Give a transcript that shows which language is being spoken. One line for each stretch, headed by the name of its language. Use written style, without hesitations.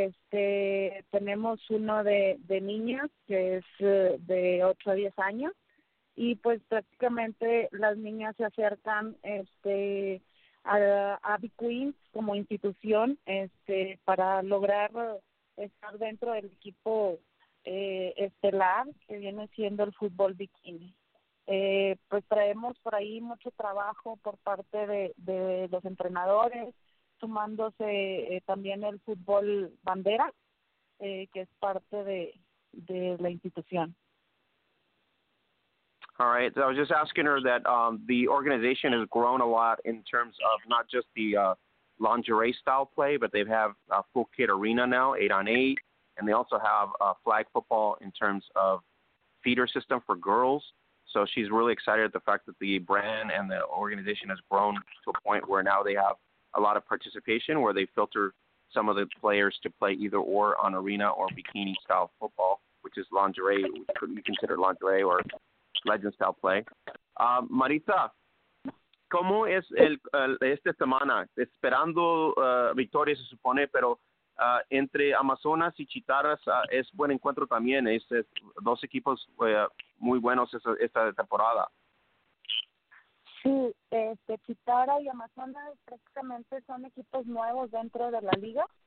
Spanish: Tenemos uno de niñas que es de 8 a 10 años, y pues prácticamente las niñas se acercan a V-Queens como institución para lograr estar dentro del equipo estelar, que viene siendo el fútbol bikini. Pues traemos por ahí mucho trabajo por parte de los entrenadores, sumándose también el fútbol bandera, que es parte de la institución.
English: All right, so I was just asking her that the organization has grown a lot in terms of not just the lingerie style play, but they have a full kit arena now, 8-on-8. And they also have flag football in terms of feeder system for girls. So she's really excited at the fact that the brand and the organization has grown to a point where now they have a lot of participation, where they filter some of the players to play either or on arena or bikini style football, which is lingerie, which could be considered lingerie or legend style play.
Spanish: Maritza, ¿cómo es esta semana? Esperando victoria, se supone, pero entre Amazonas y Chitaras es buen encuentro también. Es dos equipos muy buenos esta temporada. Sí, Chitara y Amazonas prácticamente son equipos nuevos dentro de la liga.